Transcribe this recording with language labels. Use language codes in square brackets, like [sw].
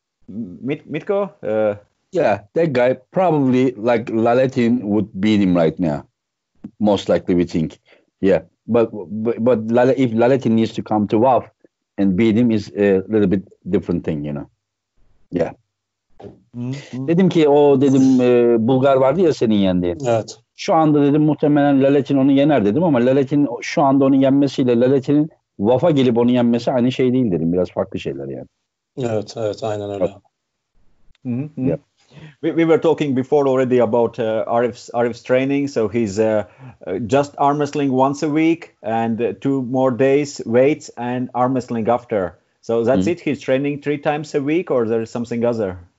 [en] Mitko? Yeah, that guy probably like Laletin would beat him right now. Most likely we think. Yeah. But if Laletin needs to come to WAF and beat him, is a little bit different thing, you know. Yeah. [tr] Dedim ki o dedim Bulgar vardı ya senin yendiğin. Evet. Şu anda dedim muhtemelen Laletin onu yener dedim ama Laletin şu anda onu yenmesiyle Laletin'in Vafa gelip onu yenmesi aynı şey değil dedim. Biraz farklı şeyler yani. Evet, evet, aynen öyle. [en] We were talking before already about Arif's training. So he's just arm wrestling once a week and two more days weights and arm wrestling after. So that's it? He's training three times a week or there is something other?